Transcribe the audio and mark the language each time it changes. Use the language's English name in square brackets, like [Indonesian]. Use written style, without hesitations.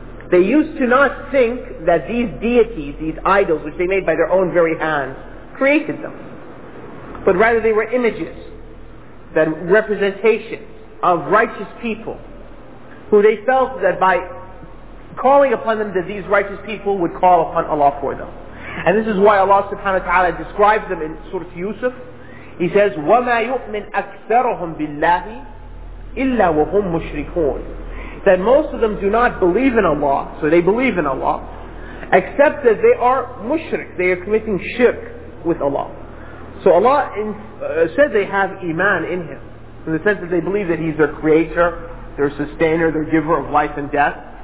[English] They used to not think that these deities, these idols which they made by their own very hands, created them, but rather they were images, that representations of righteous people who they felt that by calling upon them, that these righteous people would call upon Allah for them. And this is why Allah subhanahu wa ta'ala describes them in Surah Yusuf. He says, [Arabic] وَمَا يُؤْمِنْ أَكْثَرُهُمْ بِاللَّهِ إِلَّا وَهُمْ مُشْرِكُونَ. [English] That most of them do not believe in Allah, so they believe in Allah, except that they are mushrik, they are committing shirk with Allah. So Allah said they have iman in him, in the sense that they believe that he's their creator, their sustainer, their giver of life and death.